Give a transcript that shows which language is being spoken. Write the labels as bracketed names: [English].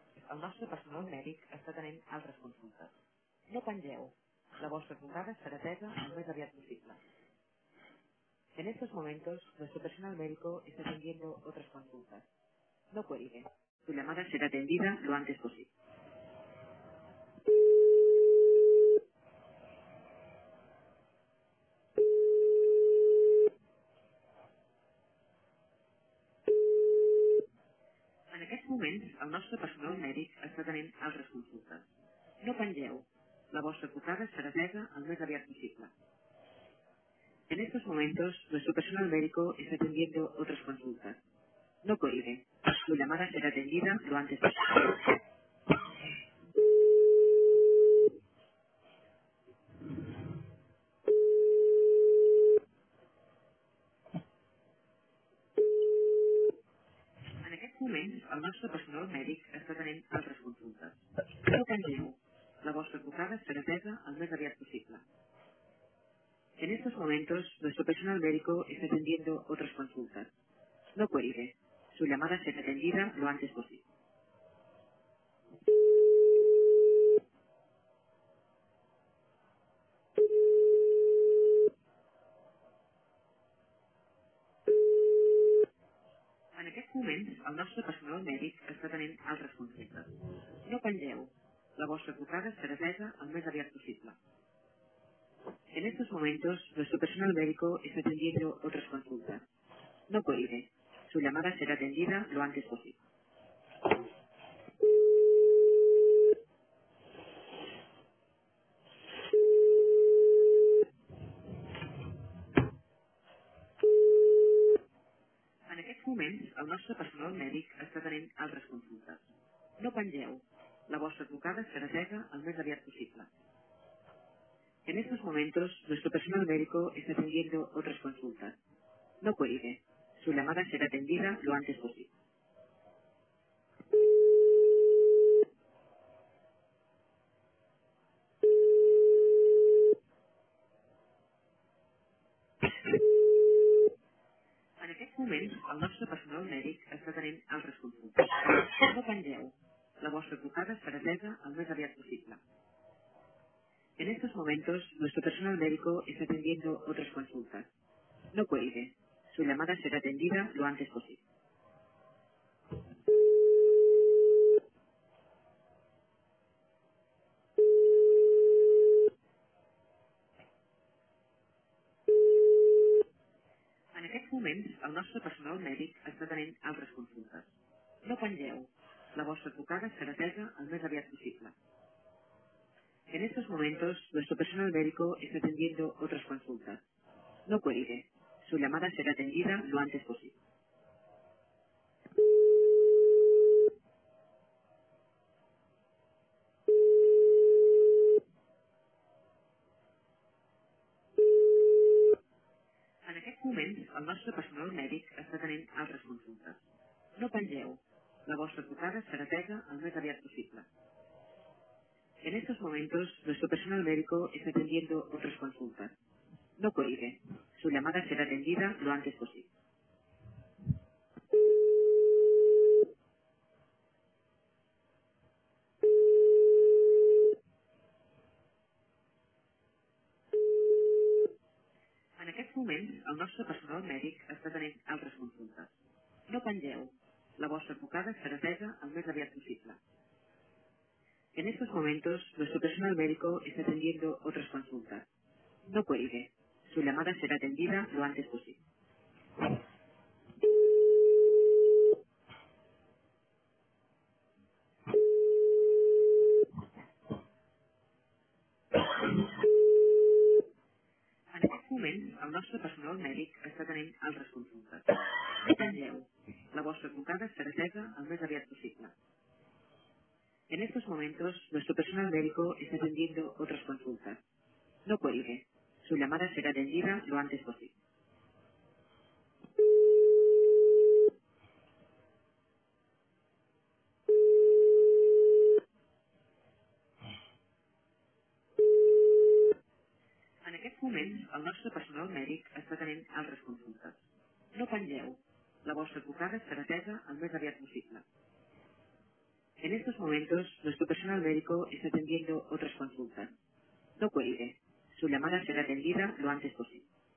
[Catalan] El nostre personal mèdic està tenint altres consultes. No pengeu. La vostra trucada serà atesa el més aviat possible. [Spanish] En estos momentos, nuestro personal médico está atendiendo otras consultas. No cuelgue. Tu llamada será atendida lo antes posible. [Catalan] En aquests moments, el nostre personal mèdic està tenint altres consultes. No pengeu. La vostra trucada serà atesa el més aviat possible. [Spanish] En estos momentos, nuestro personal médico está atendiendo otras consultas. No cuelgue. Su llamada será atendida lo antes posible. [Catalan] En aquests moments, el nostre personal mèdic està tenint altres consultes. [Spanish] No cuelgue. [Catalan] La vostra trucada serà atesa el més aviat possible. [Spanish] En estos momentos, nuestro personal médico está atendiendo otras consultas. No cuelgue. Su llamada será atendida lo antes posible. [Catalan] En aquests moments, el nostre personal mèdic està tenint altres consultes. No pengeu. La vostra trucada serà atesa el més aviat possible. [Spanish] En estos momentos, nuestro personal médico está atendiendo otras consultas. No cuelgue. Su llamada será atendida lo antes posible. [Catalan] En aquests moments, el nostre personal mèdic està tenint altres consultes. No pengeu. La vostra trucada serà atesa el més aviat possible. [Spanish] En estos momentos, nuestro personal médico está atendiendo otras consultas. No cuelgue. Su llamada será atendida lo antes posible. [Catalan] En aquest moment, el nostre personal mèdic està tenint altres consultes. No pengeu. La vostra trucada serà atesa el més aviat possible. [Spanish] En estos momentos, nuestro personal médico está atendiendo otras consultas. No cuelgue. Su llamada será atendida lo antes posible. [Catalan] En aquests moments, el nostre personal mèdic està tenint altres consultes. No pengeu. La vostra trucada serà atesa el més aviat possible. [Spanish] En estos momentos, nuestro personal médico está atendiendo otras consultas. No cuelgue. su llamada será atendida lo antes posible. [Catalan] En aquest moment, el nostre personal mèdic està tenint altres consultes. No pengeu. La vostra trucada serà atesa el més aviat possible. [Spanish] En estos momentos, nuestro personal médico está atendiendo otras consultas. No colgue. Su llamada será atendida lo antes posible. [Catalan] En aquest moment, el nostre personal mèdic està tenint altres consultes. No pengeu. La vostra trucada serà atesa el més aviat possible. [Spanish] En estos momentos, nuestro personal médico está atendiendo otras consultas. No cuelgue. Su llamada será atendida lo antes posible. [Catalan] En aquest moment, el nostre personal mèdic està tenint altres consultes. No tingueu. La vostra trucada serà atesa el més aviat possible. [Spanish] En estos momentos, nuestro personal médico está atendiendo otras consultas. No cuelgue. Su llamada será atendida lo antes posible. [Catalan] En aquest moment, el nostre personal mèdic està tenint altres consultes. No pengeu. La vostra trucada serà atesa el més aviat possible. [Spanish] En estos momentos, nuestro personal médico está atendiendo otras consultas. No cuelgue. Su llamada será atendida lo antes posible.